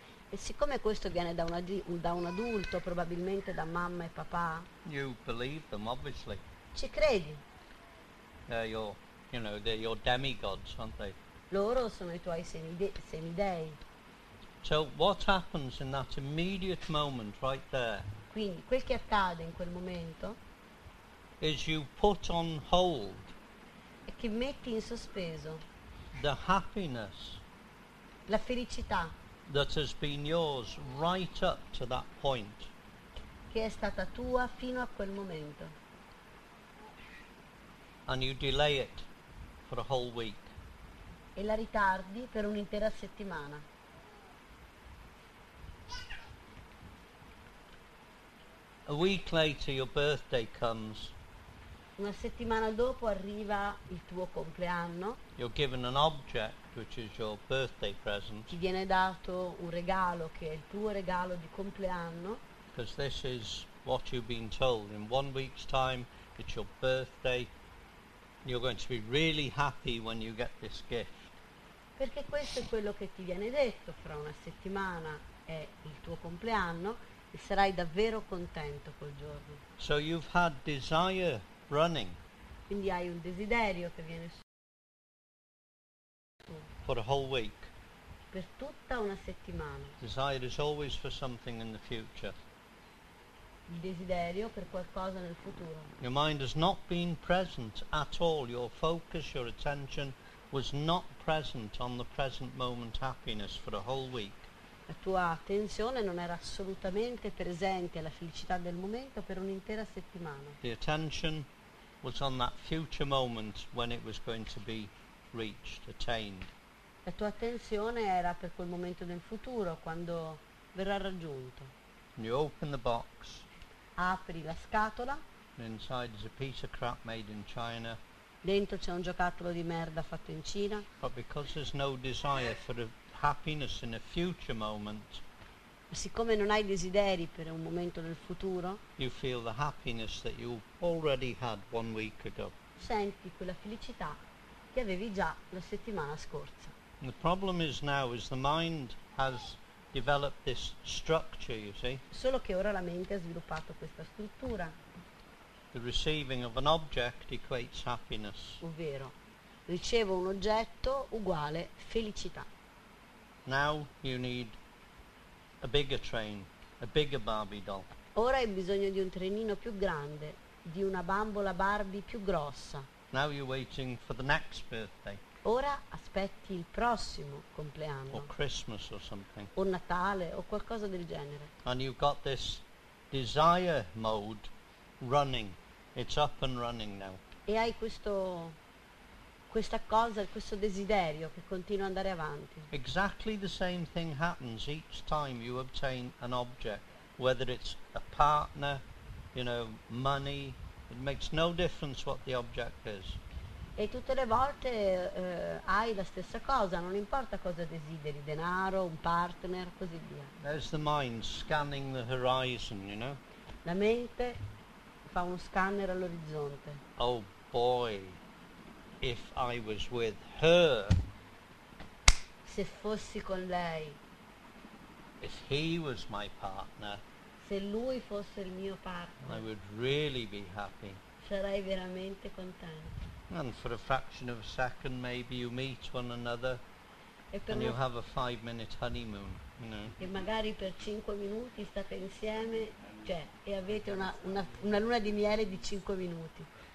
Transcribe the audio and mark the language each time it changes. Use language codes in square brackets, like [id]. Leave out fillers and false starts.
[it] E siccome questo viene da un adulto, probabilmente da mamma e papà. [en] You believe them, obviously. [it] Ci credi. [en] You know, they're your demigods, aren't they? [it] Loro sono i tuoi semidei. [en] So what happens in that immediate moment right there? [it] Quindi quel che accade in quel momento [en] is you put on hold. [it] È che metti in sospeso [en] the happiness. [it] La felicità [en] that has been yours right up to that point. [it] Che è stata tua fino a quel momento. [en] And you delay it for a whole week. [it] E la ritardi per un'intera settimana. [en] A week later your birthday comes. [it] Una settimana dopo arriva il tuo compleanno. [en] You're given an object which is your birthday present. [it] Ti viene dato un regalo che è il tuo regalo di compleanno. [en] Because this is what you've been told. In one week's time it's your birthday. You're going to be really happy when you get this gift. [it] Perché questo è quello che ti viene detto, fra una settimana è il tuo compleanno e sarai davvero contento quel giorno. [en] So you've had desire running. [it] Quindi hai un desiderio che viene su. [en] for a whole week. [it] Per tutta una settimana. [en] Desire is always for something in the future. [it] Il desiderio per qualcosa nel futuro. [en] Your mind has not been present at all. Your focus, your attention was not present on the present moment happiness for a whole week. [it] La tua attenzione non era assolutamente presente alla felicità del momento per un'intera settimana. [en] The attention was on that future moment when it was going to be reached, attained. [it] La tua attenzione era per quel momento del futuro, quando verrà raggiunto. [en] And you open the box. [it] Apri la scatola. [en] Inside is a piece of crap made in China. [it] Dentro c'è un giocattolo di merda fatto in Cina. [en] But because there's no desire for a happiness in a future moment, [it] ma siccome non hai desideri per un momento nel futuro, [en] you feel the happiness that you already had one week ago. [it] Senti quella felicità che avevi già la settimana scorsa. [en] The problem is now is the mind has developed this structure, you see. [it] Solo che ora la mente ha sviluppato questa struttura. [en] The receiving of an object equates happiness. [it] Ovvero, ricevo un oggetto uguale felicità. [en] Now you need a bigger train, a bigger Barbie doll. [it] Ora hai bisogno di un trenino più grande, di una bambola Barbie più grossa. [en] Now you're waiting for the next birthday. [it] Ora aspetti il prossimo compleanno. [en] Or Christmas or something. [it] O Natale o qualcosa del genere. [en] And you've got this desire mode running. It's up and running now. [it] E hai questa cosa, questo desiderio che continua ad andare avanti. [en] Exactly the same thing happens each time you obtain an object, whether it's a partner, you know, money, it makes no difference what the object is. [it] E tutte le volte hai la stessa cosa, non importa cosa desideri, denaro, un partner, così via. [en] There's the mind scanning the horizon, you know? [it] La mente fa uno scanner all'orizzonte. [en] Oh boy, if I was with her. [it] Se fossi con lei. [en] If he was my partner. [it] Se lui fosse il mio partner. [en] I would really be happy. [it] Sarei veramente contento. [en] And for a fraction of a second maybe you meet one another and you have a 5-minute honeymoon, you know. [it] E magari per 5 minuti state insieme, cioè, e avete una luna di miele di 5 minuti.